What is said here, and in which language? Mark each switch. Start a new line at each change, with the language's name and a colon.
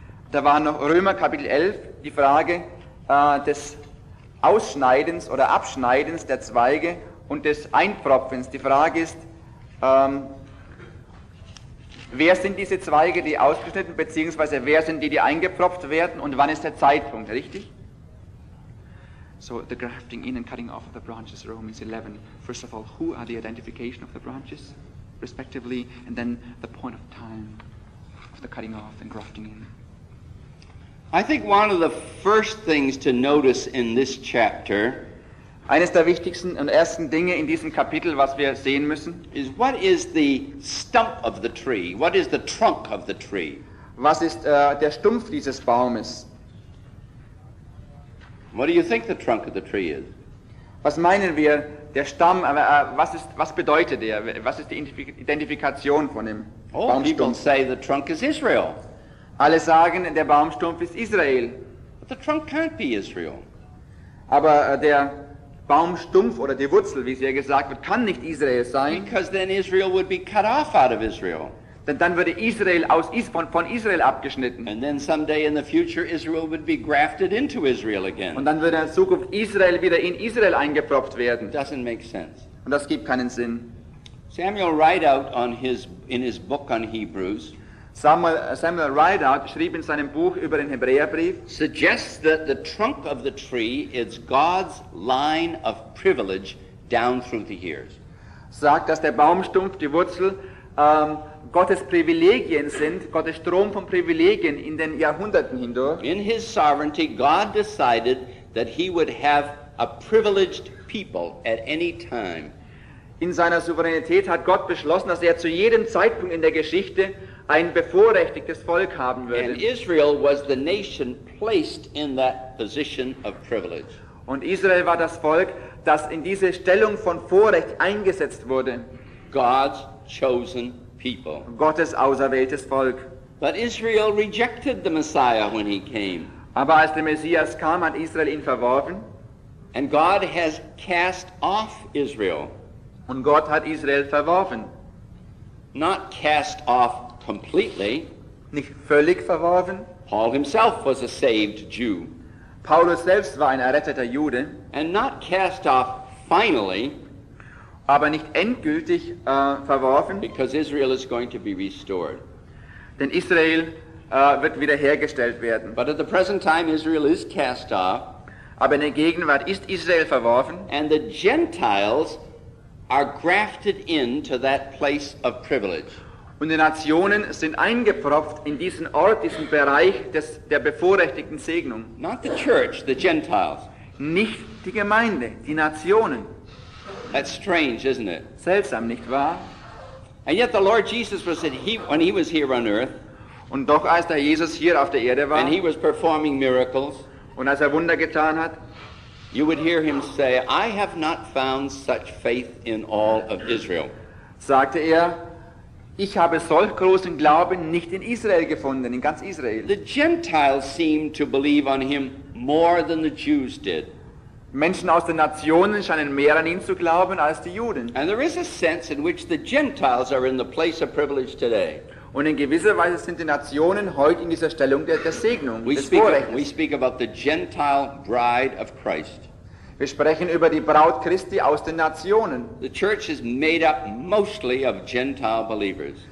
German: Da war noch Römer Kapitel 11 die Frage des Ausschneidens oder Abschneidens der Zweige und des Einpropfens. Die Frage ist, wer sind diese Zweige, die ausgeschnitten, beziehungsweise wer sind die, die eingepropft werden und wann ist der Zeitpunkt, richtig?
English: So, the grafting in and cutting off of the branches, Romans 11. First of all, who are the identification of the branches, respectively, and then the point of time of the cutting off and grafting in. I think one of the first things to notice in this chapter,
German: eines der wichtigsten und ersten Dinge in diesem Kapitel, was wir sehen müssen,
English: is what is the stump of the tree? What is the trunk of the tree?
German: Was ist der Stumpf dieses Baumes?
English: What do you think the trunk of the tree is?
German: Was meinen wir, der Stamm, was bedeutet er? Was ist die Identifikation von dem Baumstumpf?
English: People say the trunk is Israel.
German: Alle sagen, der Baumstumpf ist Israel.
English: But the trunk can't be Israel.
German: Aber der Baumstumpf oder die Wurzel, wie es hier gesagt wird, kann nicht Israel sein.
English: Because then Israel would be cut off out of Israel.
German: Denn dann würde Israel aus von Israel abgeschnitten.
English: And then someday in the future Israel would be grafted into Israel again.
German: Und dann würde in Zukunft Israel wieder in Israel eingepropft werden.
English: Doesn't make sense.
German: Und das gibt keinen Sinn.
English: Samuel Rideout in his book on Hebrews.
German: Samuel Rideout schrieb in seinem Buch über den Hebräerbrief.
English: Suggests that the trunk of the tree is God's line of privilege down through the years.
German: Sagt, dass der Baumstumpf, die Wurzel, Gottes Privilegien sind, Gottes Strom von Privilegien in den Jahrhunderten hindurch.
English: In his sovereignty, God decided that he would have a privileged people at any time.
German: In seiner Souveränität hat Gott beschlossen, dass er zu jedem Zeitpunkt in der Geschichte ein bevorrechtigtes Volk haben würde.
English: And Israel was the nation placed in that position of privilege.
German: Und Israel war das Volk, das in diese Stellung von Vorrecht eingesetzt wurde.
English: God's chosen people.
German: Gottes auserwähltes Volk.
English: But Israel rejected the Messiah when he came.
German: Aber als der Messias kam, hat Israel ihn verworfen.
English: And God has cast off Israel.
German: Und Gott hat Israel verworfen.
English: Not cast off completely.
German: Nicht völlig verworfen.
English: Paul himself was a saved Jew.
German: Paulus selbst war ein erretteter Jude.
English: And not cast off finally.
German: Aber nicht endgültig verworfen.
English: Because Israel is going to be restored.
German: Denn Israel wird wiederhergestellt werden.
English: But at the present time Israel is cast off.
German: Aber in der Gegenwart ist Israel verworfen.
English: And the Gentiles are grafted into that place of privilege.
German: Und die Nationen sind eingepropft in diesen Ort, diesen Bereich der bevorrechtigten Segnung.
English: Not the church, the Gentiles.
German: Nicht die Gemeinde, die Nationen.
English: That's strange, isn't it?
German: Seltsam, nicht wahr?
English: And yet the Lord Jesus was said he when he was here on earth.
German: Und doch als der Jesus hier auf der Erde war.
English: And he was performing miracles.
German: Und als Wunder getan hat.
English: You would hear him say, "I have not found such faith in all of Israel."
German: Sagte er, ich habe solch großen Glauben nicht in Israel gefunden, in ganz Israel.
English: The Gentiles seemed to believe on him more than the Jews did.
German: Menschen aus den Nationen scheinen mehr an ihn zu glauben als die Juden.
English: And there is a sense in which the Gentiles are in the place of privilege today.
German: Und in gewisser Weise sind die Nationen heute in dieser Stellung der Segnung, des Vorrechts.
English: We speak about the Gentile bride of Christ.
German: Wir sprechen über die Braut Christi aus den Nationen.
English: The church is made up mostly of Gentile believers.